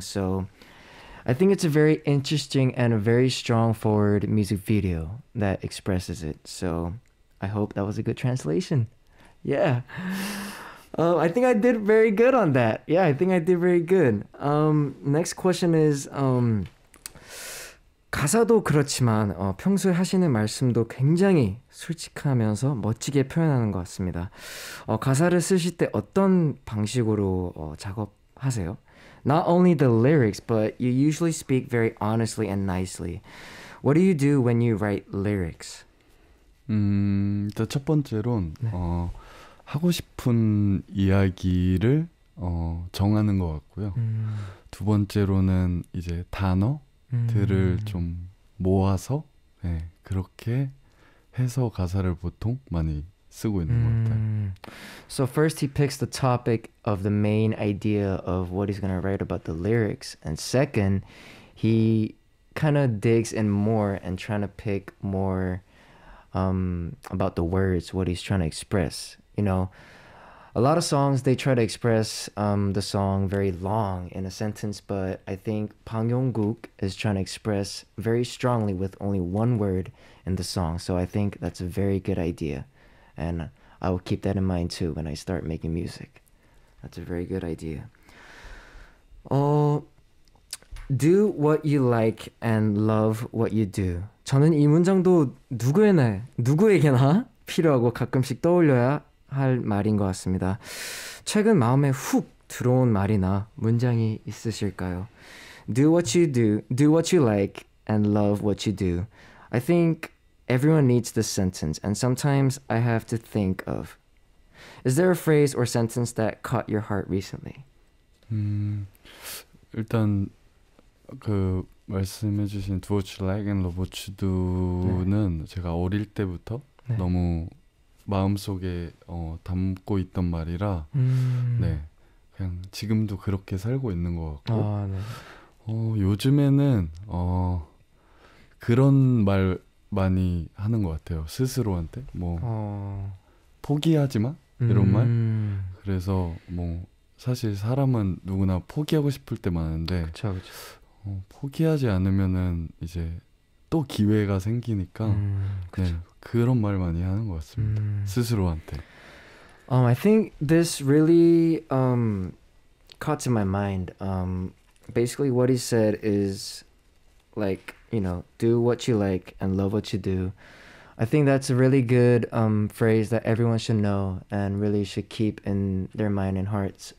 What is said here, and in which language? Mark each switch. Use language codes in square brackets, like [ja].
[en] So I think it's a very interesting and a very strong forward music video that expresses it. So I hope that was a good translation. Yeah. I think I did very good on that. Yeah, I think I did very good. Next question is, [ko] 가사도 그렇지만 평소에 하시는 말씀도 굉장히 솔직하면서 멋지게 표현하는 것 같습니다. 가사를 쓰실 때 어떤 방식으로 작업하세요? [en] Not only the lyrics, but you usually speak very honestly and nicely. What do you do when you write lyrics? [ko] 일단 첫 번째로는 하고 싶은 이야기를 정하는 것 같고요. 두 번째로는 이제 단어들을 좀 모아서 네, 그렇게 해서 가사를 보통 많이 쓰고 있는 것 같아요. [en] So first he picks the topic of the main idea of what he's going to write about the lyrics. And second, he kind of digs in more and trying to pick more about the words, what he's trying to express. You know, a lot of songs, they try to express the song very long in a sentence, but I think 방영국 is trying to express very strongly with only one word in the song. So I think that's a very good idea. And I will keep that in mind too when I start making music. That's a very good idea. Do what you like and love what you do. [ko] 저는 이 문장도 누구에게나 필요하고 가끔씩 떠올려야 할 말인 것 같습니다. 최근 마음에 훅 들어온 말이나 문장이 있으실까요? [en] Do what you like and love what you do. I think everyone needs this sentence, and sometimes I have to think of. Is there a phrase or sentence that caught your heart recently? [ko] 일단 그 말씀해주신 [en] Do what you like and love what you do [ko] 는 네. 제가 어릴 때부터 네. 너무 마음속에 담고 있던 말이라 네. 그냥 지금도 그렇게 살고 있는 것 같고 아, 네. 요즘에는 그런 말 많이 하는 것 같아요. 스스로한테 뭐 포기하지 마 이런 말. 그래서 뭐 사실 사람은 누구나 포기하고 싶을 때 많은데 그쵸, 그쵸. 포기하지 않으면은 이제 또 기회가 생기니까 네, 그런 말 많이 하는 것 같습니다. 스스로한테. [en] I think this really caught to my mind. Basically, what he said is like, you know, do what you like and love what you do. I think that's a really good phrase that everyone should know and really should keep in their mind and hearts.